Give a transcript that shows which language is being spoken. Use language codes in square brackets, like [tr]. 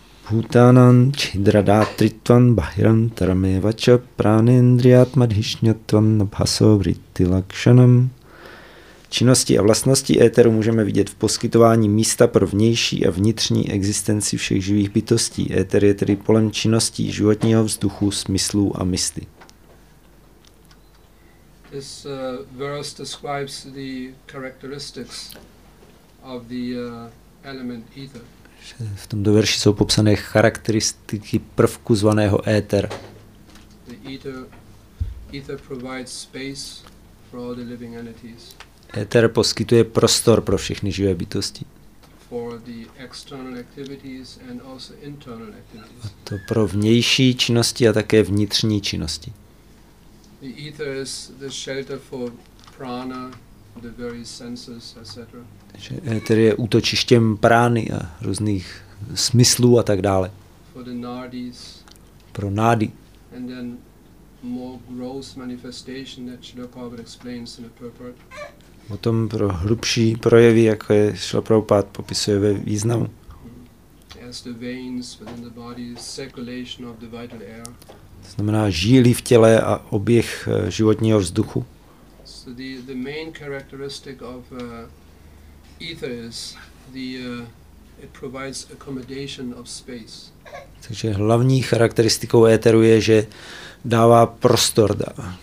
[sa] Bhutanam chidradatritvam bahiram tarameva pranendriyatmadhishnyatvam nabhasovrittilakshanam. [cs] Činnosti a vlastnosti éteru můžeme vidět v poskytování místa pro vnější a vnitřní existenci všech živých bytostí. Éter je tedy polem činností životního vzduchu, smyslů a mysli. [en] This verse describes the characteristics of the element ether. [cs] V tomto verši jsou popsané charakteristiky prvku zvaného éter. [en] The ether provides space for all the living entities. [cs] Éter poskytuje prostor pro všechny živé bytosti. [en] For the external activities and also internal activities. [cs] A to pro vnější činnosti a také vnitřní činnosti. [en] The ether is the shelter for prana, the various senses, etc. [cs] Takže éter je útočištěm prány a různých smyslů a tak dále. [en] For the nadis. [cs] Pro nády. [en] And then more gross manifestation that Srila Prabhupada explains in a purport. [cs] O tom pro hlubší projevy, jako je Srila Prabhupada popisuje ve významu. [en] As the veins within the body, circulation of the vital air. [cs] To znamená žíly v těle a oběh životního vzduchu. [en] So the main characteristic of ether is it provides accommodation of space. [cs] Takže hlavní charakteristikou éteru je, že dává prostor.